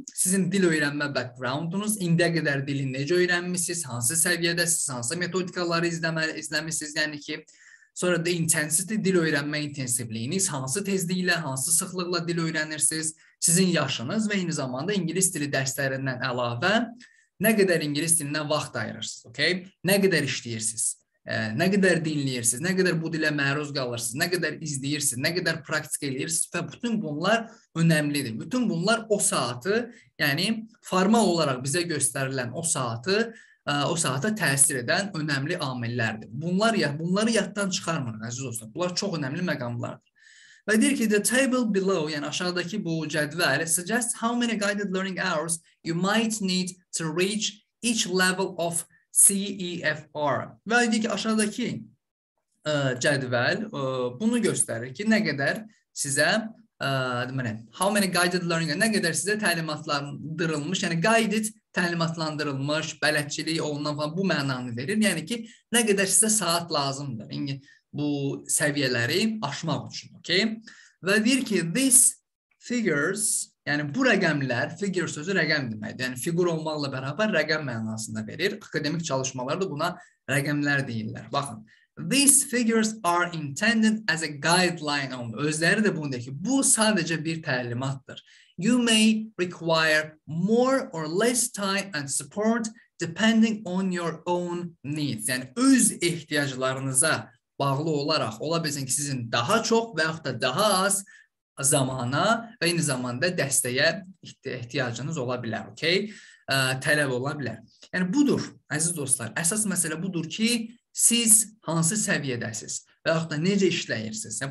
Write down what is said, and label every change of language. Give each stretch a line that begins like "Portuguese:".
Azerbaijani: Sizin dil öyrənmə background'unuz, indiyə qədər dili necə öyrənmişsiniz, hansı səviyyədəsiniz, hansı metodikaları izləmişsiniz, yəni ki, sonra da intensity, dil öyrənmə intensivliyiniz, hansı tezliklə, hansı sıxlıqla dil öyrənirsiniz, sizin yaşınız və eyni zamanda ingilis dili dərslərindən əlavə nə qədər ingilis dilinə vaxt ayırırsınız, okay? Nə qədər işləyirsiniz?
Turkish: Ne kadar dinliyorsunuz, ne kadar bu dile maruz kalırsınız, ne kadar izliyorsunuz, ne kadar pratik ediyorsunuz ve bütün bunlar önemlidir. Bütün bunlar o saati, yani formal olarak bize gösterilen o saata təsir eden önemli amillerdir. Bunlar ya, bunları yattan çıkarmayın, aziz dostlar. Bunlar çok önemli məqamlardır. Ve deyir ki,
English: the table below,
Turkish: yani aşağıdaki bu cədvəl,
English: suggests how many guided learning hours you might need to reach each level of CEFR.
Azerbaijani: Və dedik ki, aşağıdakı cədvəl bunu göstərir ki, nə qədər sizə deməli,
English: how many guided learning,
Azerbaijani: nə qədər sizə təlimatlandırılmış, yəni guided təlimatlandırılmış, bələdçilik olunan falan bu mənanı verir. Yəni ki, nə qədər sizə saat lazımdır bu səviyyələri aşmaq üçün. Okay? Və deyir ki,
English: these figures,
Azerbaijani: yəni bu rəqəmlər, figure sözü rəqəm deməkdir. Yəni figur olmaqla bərabər rəqəm mənasında verir. Akademik çalışmalarda buna rəqəmlər deyirlər. Baxın,
English: these figures are intended as a guideline.
Azerbaijani: Özləri də bunu deyir ki, bu sadəcə bir təlimatdır.
English: You may require more or less time and support depending on your own needs.
Azerbaijani: Yəni öz ehtiyaclarınıza bağlı olaraq ola bilsin ki, sizin daha çox və yaxud da daha az zamana və eyni zamanda dəstəyə ehtiyacınız ola bilər, okay? Tələb ola bilər. Yəni budur, əziz dostlar, əsas məsələ budur ki, siz hansı səviyyədəsiniz və yaxud da necə işləyirsiniz?